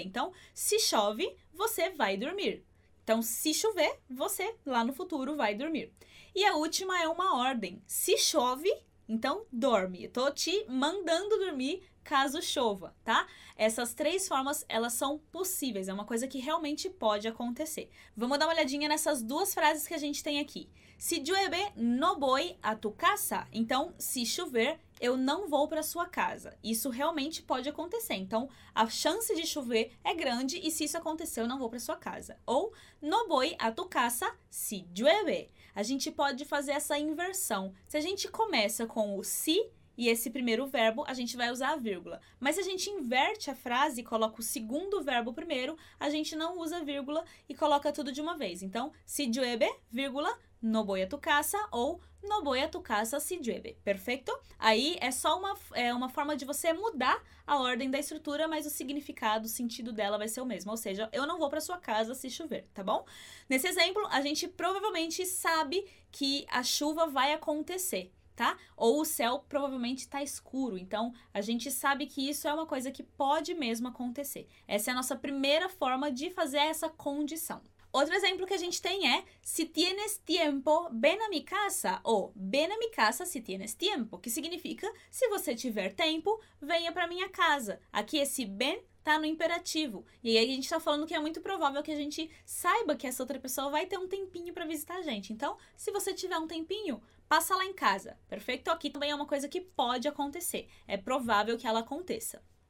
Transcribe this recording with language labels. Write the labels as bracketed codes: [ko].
[pt] Então, se chove, você vai dormir. Então, se chover, você, lá no futuro, vai dormir. E a última é uma ordem. Se chove, então dorme. Eu tô te mandando dormir caso chova, tá? Essas três formas, elas são possíveis. É uma coisa que realmente pode acontecer. Vamos dar uma olhadinha nessas duas frases que a gente tem aqui. [es] Si llueve, no voy a tu casa. [pt] Então, se chover, eu não vou para sua casa. Isso realmente pode acontecer. Então, a chance de chover é grande e se isso acontecer, eu não vou para sua casa. [es] Ou, no voy a tu casa si llueve. [pt] A gente pode fazer essa inversão. Se a gente começa com o si e esse primeiro verbo, a gente vai usar a vírgula. Mas se a gente inverte a frase e coloca o segundo verbo primeiro, a gente não usa a vírgula e coloca tudo de uma vez. [es] Então, si llueve, vírgula, no voy a tu casa, ou no voy a tu casa si llueve. [pt] Perfeito? Aí é só uma forma de você mudar a ordem da estrutura, mas o significado, o sentido dela vai ser o mesmo. Ou seja, eu não vou para sua casa se chover, tá bom? Nesse exemplo, a gente provavelmente sabe que a chuva vai acontecer, tá? Ou o céu provavelmente está escuro. Então, a gente sabe que isso é uma coisa que pode mesmo acontecer. Essa é a nossa primeira forma de fazer essa condição. Outro exemplo que a gente tem é [es] si tienes tiempo, ven a mi casa. Ou ven a mi casa si tienes tiempo. [pt] Que significa, se você tiver tempo, venha para minha casa. Aqui esse ven tá no imperativo. E aí a gente tá falando que é muito provável que a gente saiba que essa outra pessoa vai ter um tempinho para visitar a gente. Então, se você tiver um tempinho, passa lá em casa. Perfeito? Aqui também é uma coisa que pode acontecer. É provável que ela aconteça.